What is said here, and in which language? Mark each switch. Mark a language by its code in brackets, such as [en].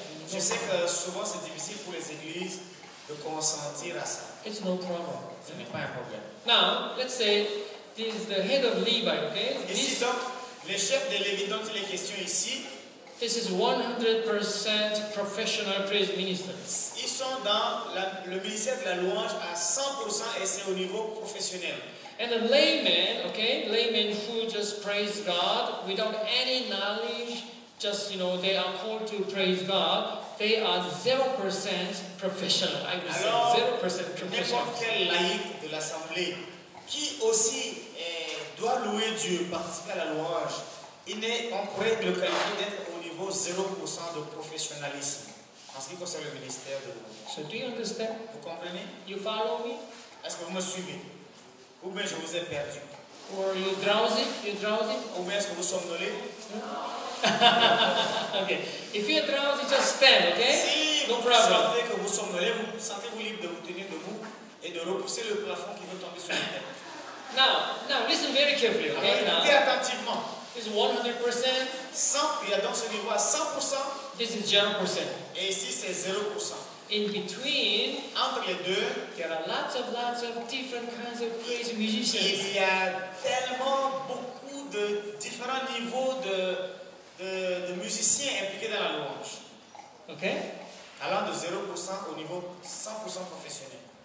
[fr] Je sais que souvent c'est difficile pour les églises de consentir à ça. [en] It's no problem. [fr] Ce n'est pas un problème. [en] Now, let's say this is the head of Levi, okay? [fr] Ici donc, le chef de Lévi dont il est question ici. [en] This is 100% professional praise ministers. [fr] Ils sont dans le ministère de la louange à 100% et c'est au niveau professionnel. [en] And a layman, okay, layman who just praise God without any knowledge, just, you know, they are called to praise God, they are 0% professional. I would [fr] Alors, [en] say 0% professional. [fr] N'importe quel laïc de l'assemblée qui aussi doit louer Dieu, participer à la louange, on pourrait le qualifier d'être au niveau 0% de professionnalisme en ce qui concerne le ministère de louange. [en] So do you understand? [fr] Vous comprenez? [en] You follow me? [fr] Est-ce que vous me suivez? Ou bien je vous ai perdu. [en] Or you drowsy? You drowsy? [fr] Ou bien est-ce que vous somnolez? [en] Okay. If you're drowsy, just stand, okay? [fr] Si [en] no [fr] vous [en] problem. [fr] Sentez que vous somnolez, vous sentez-vous libre de vous tenir debout et de repousser le plafond qui veut tomber sur la tête. [en] Now, listen very carefully, okay? [fr] Alors, écoutez attentivement. [en] This is 100%. [fr] 100, il y a donc ce niveau à 100%. [en] This is 0%. [fr] Et ici, c'est 0%. [en] In between, [fr] entre les deux, [en] there are lots of different kinds of crazy musicians. [fr] Il y a tellement beaucoup de différents niveaux de musiciens impliqués dans la louange. Ok. Allant de 0% au niveau 100% professionnel.